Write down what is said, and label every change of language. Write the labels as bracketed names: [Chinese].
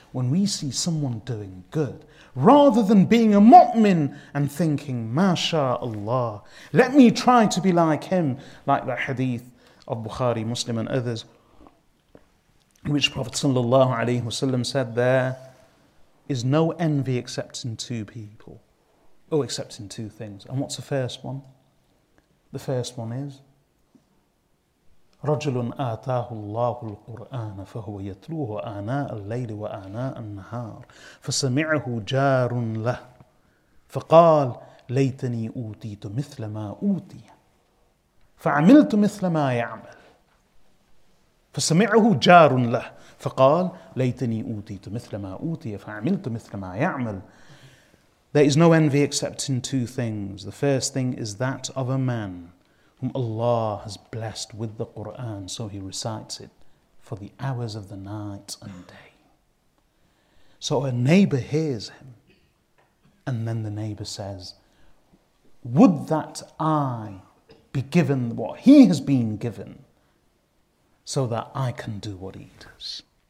[English] When we see someone doing good, rather than being a mu'min and thinking, MashaAllah, let me try to be like him, like the hadith of Bukhari, Muslim and others, in which Prophet sallallahu alayhi wa sallam said, there is no envy except in two people. Oh, except in two things. And what's the first one? The first one is [Arabic] رَجُلٌ آتَاهُ اللَّهُ الْقُرْآنَ فَهُوَ يَتْلُوهُ آنَاءَ اللَّيْلِ وَآنَاءَ النَّهَارِ فَسَمِعَهُ جَارٌ لَهُ فَقَالَ لَيْتَنِي أُوتِيتُ مِثْلَ مَا أُوتِيَ فَعَمِلْتُ مِثْلَ مَا يَعْمَلُ. فسمعه جار له فقال ليتني أوتيت مثل ما أوتي فعملت مثل ما يعمل. [English] There is no envy except in two things. The first thing is that of a man whom Allah has blessed with the Qur'an, so he recites it for the hours of the night and day. So a neighbor hears him, and then the neighbor says, would that I be given what he has been given so that I can do what he does.